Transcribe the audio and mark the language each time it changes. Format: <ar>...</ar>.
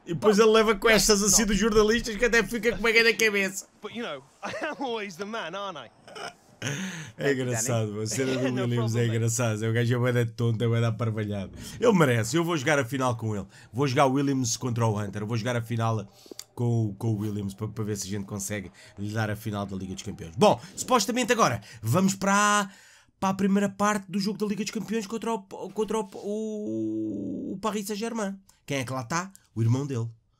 <pt>E depois ele leva com estas assim dos jornalistas que até fica com uma gana na cabeça.</pt> <en>But you know, I am always the man, aren't I?</en> <pt>É engraçado, a cena do Williams é engraçada. É o gajo vai dar tonto, vai dar parvalhado. Ele merece, eu vou jogar a final com ele. Vou jogar o Williams contra o Hunter. Vou jogar a final com o Williams para ver se a gente consegue lhe dar a final da Liga dos Campeões. Bom, supostamente agora, vamos para a primeira parte do jogo da Liga dos Campeões contra o Paris Saint-Germain. Quem é que lá está? O irmão dele.</pt>